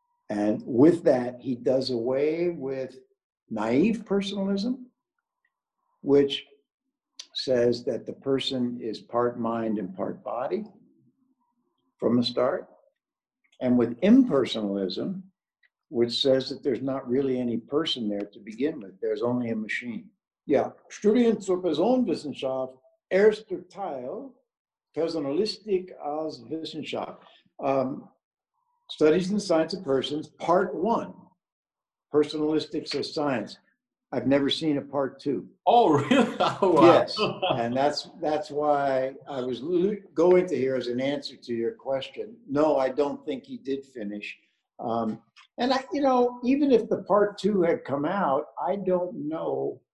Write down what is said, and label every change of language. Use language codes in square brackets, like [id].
[en] And with that, he does away with naive personalism, which says that the person is part mind and part body from the start. And with impersonalism, which says that there's not really any person there to begin with. There's only a machine. [de] Yeah, Studien zur Personenwissenschaft, erster Teil, Personalistik als Wissenschaft. [en] Studies in the Science of Persons, Part 1, Personalistics as Science. I've never seen a Part 2. Oh, really? Yes, and that's why I was going to here as an answer to your question. No, I don't think he did finish. Even if the Part 2 had come out, I don't know.